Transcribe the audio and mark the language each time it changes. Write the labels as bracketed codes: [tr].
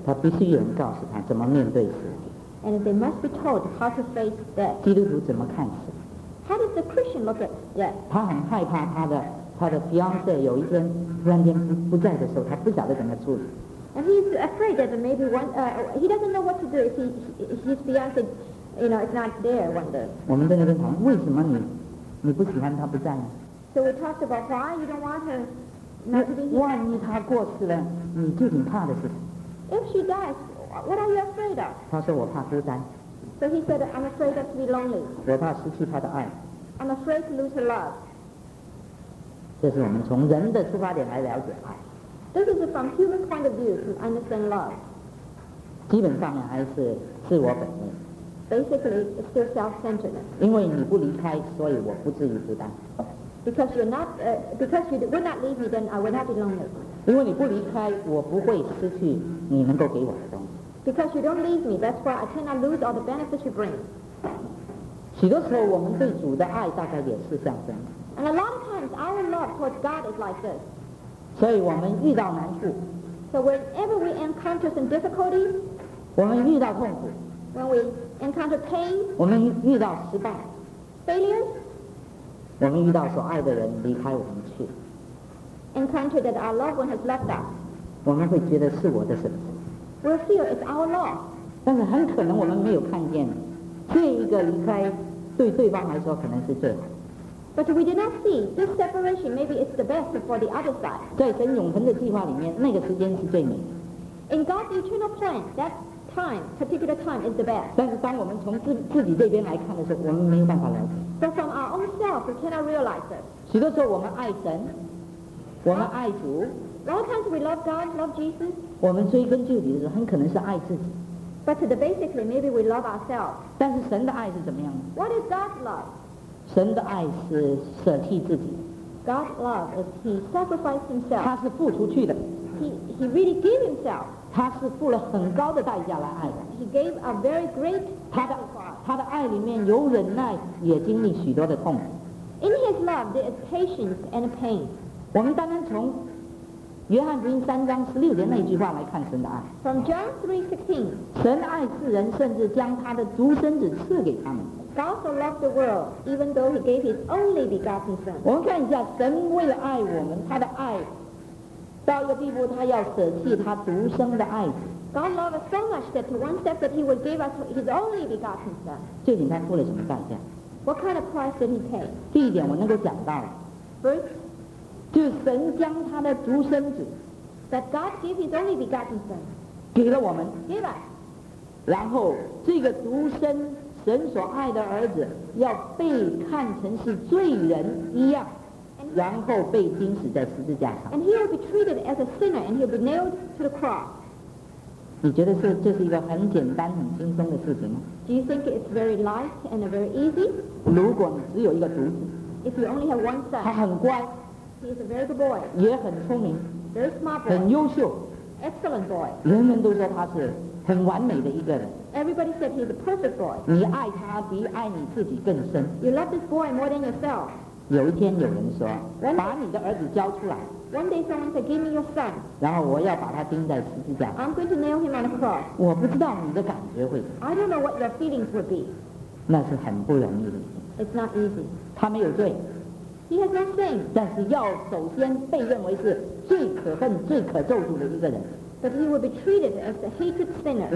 [zh] 他必须有人告诉他怎么面对死。 [en] And they must be told how to face death. [zh] 基督徒怎么看死？ [en] How does the Christian look at death? [zh] 他很害怕他的 fiance 有一天突然间不在的时候，他不晓得怎么处理。 [en] And he's afraid that maybe one, he doesn't know what to do if his fiance, you know, is not there one day. [zh] 我们在那边谈，为什么你不喜欢他不在呢？ [en] So we talked about why you don't want her not to be here. [zh] 万一他过世了，你究竟怕的是什么？ [en] If she dies, what are you afraid of? [zh] 他说我怕孤单。 [en] So he said, I'm afraid of to be lonely. [zh] 我怕失去他的爱。 [en] I'm afraid to lose her love. [zh] 这是我们从人的出发点来了解爱。 [en] This is from human point of view to understand love. [zh] 基本上还是自我本位。 [en] Basically, it's still self-centeredness. [zh] 因为你不离开，所以我不至于孤单。 [en] Because you're not, because you would not leave me, then I would not be lonely. [zh] 因为你不离开，我不会失去你能够给我的东西。 [en] Because you don't leave me, that's why I cannot lose all the benefits you bring. [zh] 许多时候，我们对主的爱大概也是象征。 [en] And a lot of times, our love towards God is like this. [zh] 所以我们遇到难处。 [en] So whenever we encounter some difficulties, [zh] 我们遇到痛苦。 [en] When we encounter pain, [zh] 我们遇到失败。 [en] Failure, [zh] 我们遇到所爱的人离开我们去。 [en] Encounter that our loved one has left us. [zh] 我们会觉得是我的损失。 [en] We'll feel it's our loss. [zh] 但是很可能我们没有看见，这一个离开对对方来说可能是最好。 [en] But we did not see this separation. Maybe it's the best for the other side. [zh] 在神永恒的计划里面，那个时间是最美的。 [en] In God's eternal plan, that time, particular time, is the best. [zh] 但是当我们从自己这边来看的时候，我们没有办法了解。 [en] But from our own self, we cannot realize it. [zh] 许多时候我们爱神，我们爱主。 [en] A lot of times we love God, love Jesus. [zh] 我们追根究底的时候，很可能是爱自己。 [en] But to the basically, maybe we love ourselves. [zh] 但是神的爱是怎么样的？ [en] What is God's love? [zh] 神的爱是舍弃自己。 [en] God's love is He sacrificed Himself. [zh] 他是付出去的。 [en] He really gave Himself. [zh] 他是付了很高的代价来爱的。 [en] He gave a very great sacrifice. [zh] 他的爱里面有忍耐，也经历许多的痛。 [en] In His love, there is patience and pain. [zh] 我们单单从约翰福音三章十六节那句话来看神的爱。 [en] From John 3:16, [zh] 神爱世人，甚至将他的独生子赐给他们。 [en] God also loved the world, even though He gave His only begotten Son. [zh] 我们看一下，神为了爱我们，他的爱到一个地步，他要舍弃他独生的爱子。 [en] God loved us so much that to one step that He would give us His only begotten Son. [zh] 究竟他付了什么代价？ [en] What kind of price did He pay? [zh] 第一点我能够讲到了。 [en] First, [zh] 就神将他的独生子 [en] that God gave His only begotten Son [zh] 给了我们。 [en] Give us. [zh] 然后这个独生神所爱的儿子要被看成是罪人一样，然后被钉死在十字架上。 [en] And he will be treated as a sinner, and he will be nailed to the cross. [zh] 你觉得这是一个很简单、很轻松的事情吗？ [en] Do you think it's very light and very easy? [zh] 如果你只有一个独子， [en] if you only have one son, [zh] 他很乖， [en] he is a very good boy, [zh] 也很聪明， [en] very smart boy, [zh] 很优秀， [en] excellent boy. [zh] 人们都说他是很完美的一个人。 [en] Everybody said he's a perfect boy. [zh] 你爱他比爱你自己更深。 [en] You love this boy more than yourself. [zh] 有一天有人说，把你的儿子交出来。 [en] One day someone said, give me your son. [zh] 然后我要把他钉在十字架。 [en] I'm going to nail him on the cross. [zh] 我不知道你的感觉会。 [en] I don't know what your feelings would be. [zh] 那是很不容易的。 [en] It's not easy. [zh] 他没有罪。 [en] He has no sin. [zh] 但是要首先被认为是最可恨、最可咒诅的一个人。 [en] But he will be treated as a hatred sinner.